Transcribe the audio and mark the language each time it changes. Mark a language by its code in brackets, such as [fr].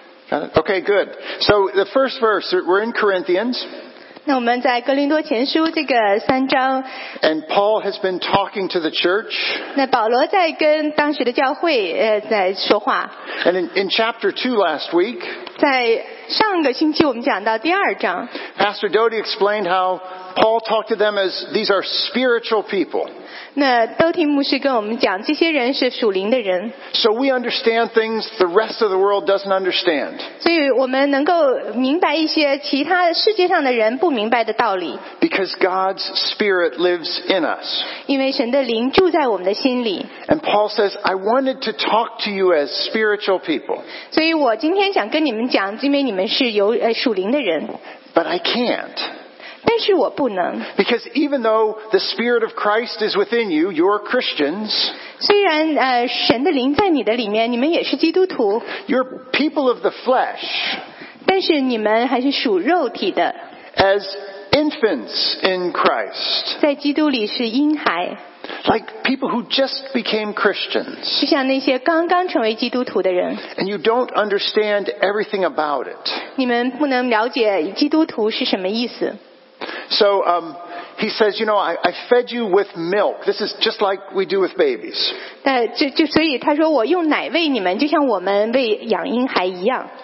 [en] Got it? Okay, good. So the first verse, we're in Corinthians. [zh] 那我们在哥林多前书这个三章。 [en] And Paul has been talking to the church. [zh] 那保罗在跟当时的教会在说话。 [en] And in chapter 2 last week. [zh] 在上个星期我们讲到第二章。 [en] Pastor Doty explained how Paul talked to them as these are spiritual people. [zh] 那都听牧师跟我们讲这些人是属灵的人。 [en] So we understand things the rest of the world doesn't understand. [zh] 所以我们能够明白一些其他世界上的人不明白的道理。 [en] Because God's spirit lives in us. [zh] 因为神的灵住在我们的心里。 [en] And Paul says, I wanted to talk to you as spiritual people. [zh] 所以我今天想跟你们讲，因为你们是有属灵的人。 [en] But I can't. [zh] 但是我不能。 [en] Because even though the Spirit of Christ is within you, you're Christians. [zh] 虽然神的灵在你的里面，你们也是基督徒。 [en] You're people of the flesh. [zh] 但是你们还是属肉体的。 [en] As infants in Christ. [zh] 在基督里是婴孩。 [en] Like people who just became Christians. [zh] 就像那些刚刚成为基督徒的人。 [en] And you don't understand everything about it. [zh] 你们不能了解基督徒是什么意思。 [en] So, he says, you know, I fed you with milk. This is just like we do with babies. [zh] 但就所以他说我用奶喂你们，就像我们喂养婴孩一样。